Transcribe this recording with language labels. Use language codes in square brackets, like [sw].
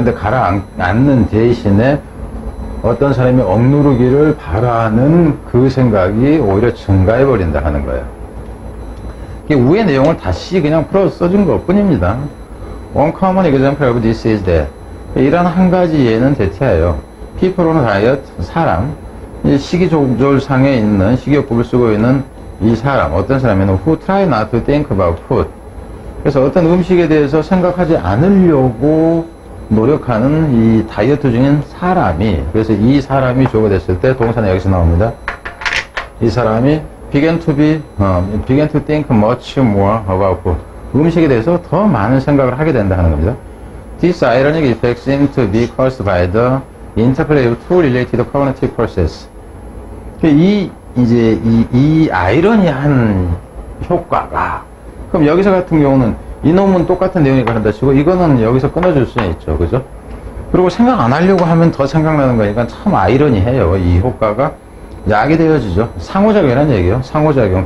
[ko] 근데 가라앉는 대신에 어떤 사람이 억누르기를 바라는 그 생각이 오히려 증가해버린다 하는 거예요. 이게 위의 내용을 다시 그냥 풀어 써준 것 뿐입니다. [en] One common example of this is that. [ko] 이런 한 가지 예는 대체하여. [en] People on a diet, 사람. [ko] 식이조절상에 있는, 식이요법을 쓰고 있는 이 사람. 어떤 사람에는 [en] who try not to think about food. [ko] 그래서 어떤 음식에 대해서 생각하지 않으려고 노력하는 이 다이어트 중인 사람이 그래서 이 사람이 주어가 됐을 때 동사는 여기서 나옵니다. 이 사람이 [en] began to think much more about food. [ko] 음식에 대해서 더 많은 생각을 하게 된다는 겁니다. [en] This ironic effect seems to be caused by the interplay of two related cognitive processes. [ko] 이 아이러니한 효과가 그럼 여기서 같은 경우는 이놈은 똑같은 내용이니까 한다 치고 이거는 여기서 끊어줄 수는 있죠. 그죠? 그리고 생각 안 하려고 하면 더 생각나는 거니까 참 아이러니해요. 이 효과가 약이 되어지죠. 상호작용이라는 얘기예요. 상호작용.